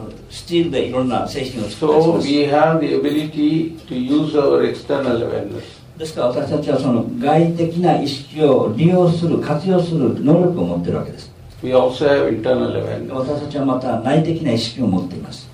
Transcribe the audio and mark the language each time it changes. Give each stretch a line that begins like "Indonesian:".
Japanese: スチールでいろんな製品を作ります。
English: So we have the ability to use our external awareness.
Japanese: ですから私たちはその外的な意識を利用する活用する能力を持っているわけです。
English: We also have internal awareness.
Japanese: 私たちはまた内的な意識を持っています。